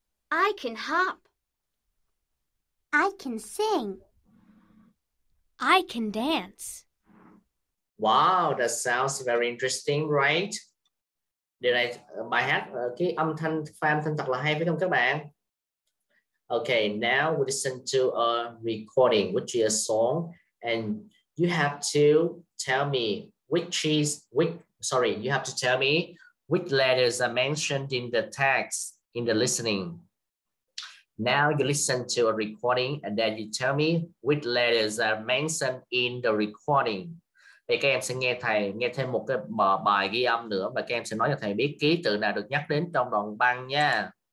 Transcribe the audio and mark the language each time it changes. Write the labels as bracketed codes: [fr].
[en] I can hop. I can sing. I can dance. Wow, that sounds very interesting, right? [vi] Did I bài hát cái âm thanh pha âm thanh thật là hay phải không các bạn? [en] Okay, now we listen to a recording, which is a song, and you have to tell me which letters are mentioned in the text in the listening. Now you listen to a recording and then you tell me which letters are mentioned in the recording. [vi] Thì các em sẽ nghe thầy nghe thêm một cái bài ghi âm nữa và các em sẽ nói cho thầy biết ký tự nào được nhắc đến trong đoạn băng nha.